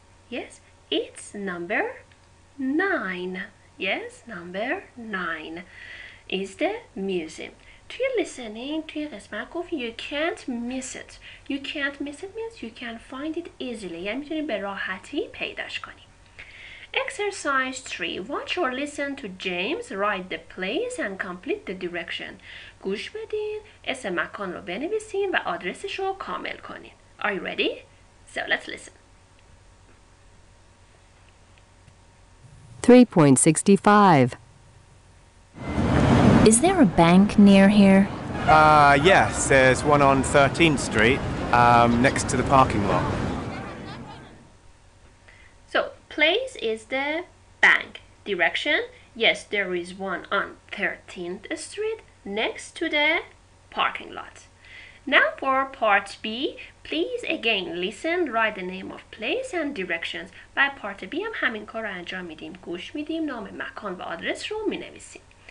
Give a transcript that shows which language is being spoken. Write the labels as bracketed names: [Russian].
[English] Yes, it's number 9. Yes, number 9 is the museum. [Persian] توی [English] listening, [Persian] توی قسمت گفت [English] you can't miss it. You can't miss it means you can find it easily. [Persian] یعنی میتونی به راحتی پیداش کنی. [English] Exercise 3. Watch or listen to James write the place and complete the direction. [Persian] گوش بدین، اسم مکان رو بنویسین و آدرسش رو کامل کنین. [English] Are you ready? So let's listen. 3.65. Is there a bank near here? Yes, there's one on 13th Street, next to the parking lot. Place is the bank. Direction? Yes, there is one on 13th Street next to the parking lot. Now for part B, please again listen, write the name of place and directions. [Persian] برای پارت B هم همین کار رو انجام میدیم. گوش میدیم، نام مکان و آدرس رو مینویسیم.